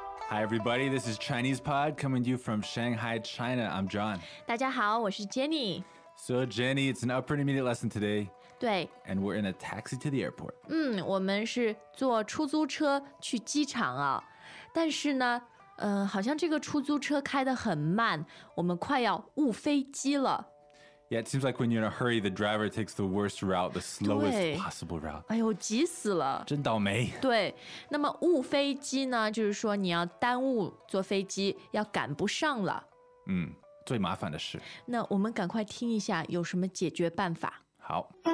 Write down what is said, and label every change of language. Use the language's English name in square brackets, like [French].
[English] Everybody, this is ChinesePod coming to you from Shanghai, China. I'm John. [Chinese] 大家好，我是 Jenny. [English] So Jenny, it's an upper intermediate lesson today. [Chinese] 对。 [English] And we're in a taxi to the airport. [Chinese] 我们是坐出租车去机场啊。但是呢，好像这个出租车开得很慢，我们快要误飞机了。 [English] Yeah, it seems like when you're in a hurry, the driver takes the worst route, the slowest possible route. [Chinese] 哎呦，急死了。真倒霉。对，那么误飞机呢，就是说你要耽误坐飞机，要赶不上了。最麻烦的事。那我们赶快听一下有什么解决办法。好。